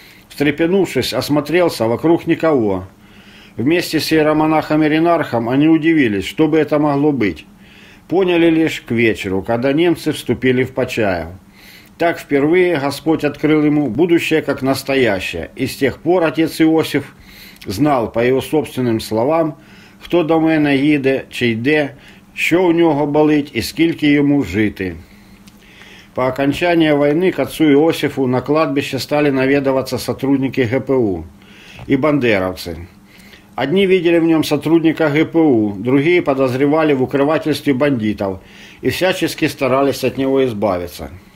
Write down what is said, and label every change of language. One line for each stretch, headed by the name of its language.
Russian: Встрепенувшись, осмотрелся, вокруг никого. Вместе с иеромонахом Иринархом они удивились, что бы это могло быть. Поняли лишь к вечеру, когда немцы вступили в Почаев. Так впервые Господь открыл ему будущее как настоящее. И с тех пор отец Иосиф знал, по его собственным словам,
Ukrainian: хто до мене їде, чи йде, що у нього болить і скільки йому жити.
Russian: По окончании войны к отцу Иосифу на кладбище стали наведываться сотрудники ГПУ и бандеровцы. Одни видели в нем сотрудника ГПУ, другие подозревали в укрывательстве бандитов и всячески старались от него избавиться.